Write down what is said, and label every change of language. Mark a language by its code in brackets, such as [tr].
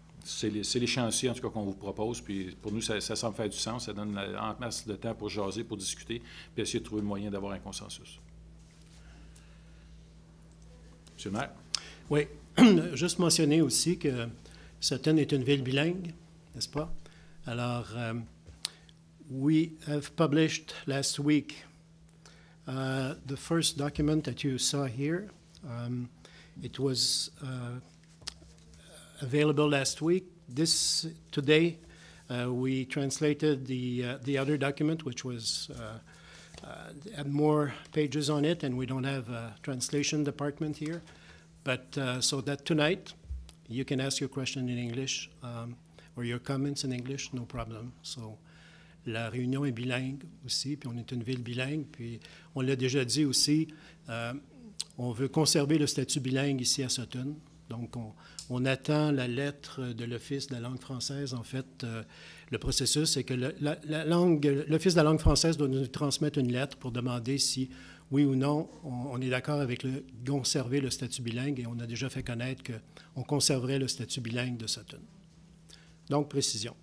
[fr] C'est les chantiers, en tout cas, qu'on vous propose. Puis pour nous, ça semble faire du sens. Ça donne en masse de temps pour jaser, pour discuter, puis essayer de trouver le moyen d'avoir un consensus. Monsieur le maire? Oui. Juste mentionner aussi que Sutton est une ville bilingue, n'est-ce pas? [en] Alors, we have published last week the first document that you saw here. It was available last week. Today, we translated the other document, which was had more pages on it, and we don't have a translation department here. But so that tonight, you can ask your question in English or your comments in English, no problem. [fr] So la réunion est bilingue aussi, puis on est une ville bilingue. Puis on l'a déjà dit aussi, on veut conserver le statut bilingue ici à Sutton. Donc on attend la lettre de l'Office de la langue française. En fait, le processus est que l'Office de la langue française doit nous transmettre une lettre pour demander si oui ou non, on est d'accord avec le conserver le statut bilingue, et on a déjà fait connaître qu'on conserverait le statut bilingue de Sutton. Donc, précision.